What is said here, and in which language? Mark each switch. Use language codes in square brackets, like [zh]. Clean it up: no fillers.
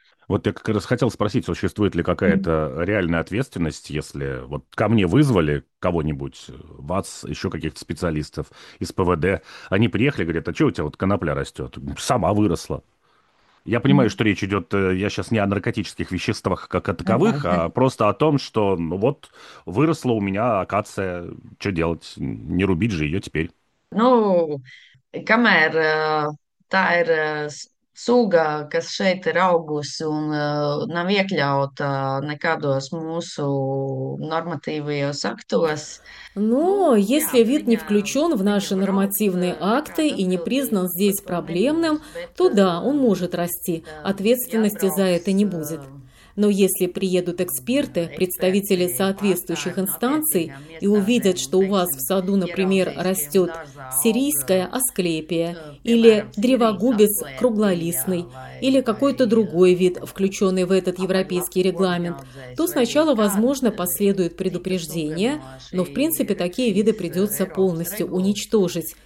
[ru] Вот я как раз хотел спросить, существует ли какая-то реальная ответственность, если вот ко мне вызвали кого-нибудь, вас, еще каких-то специалистов из ПВД, они приехали, говорят, а что у тебя вот конопля растет? Сама выросла. Я понимаю, что речь идет, я сейчас не о наркотических веществах как о таковых, а просто о том, что ну вот выросла у меня акация, что делать? Не рубить же ее теперь. [lv] Nu, kamēr tā ir suga, kas šeit ir augusi un nav iekļauta nekādos mūsu normatīvajos aktos, [ru] Но если вид не включен в наши нормативные акты и не признан здесь проблемным, то да, он может расти, ответственности за это не будет. Но если приедут эксперты, представители соответствующих инстанций, и увидят, что у вас в саду, например, растет сирийская асклепия, или древогубец круглолистный, или какой-то другой вид, включенный в этот европейский регламент, то сначала, возможно, последует предупреждение, но, в принципе, такие виды придется полностью уничтожить.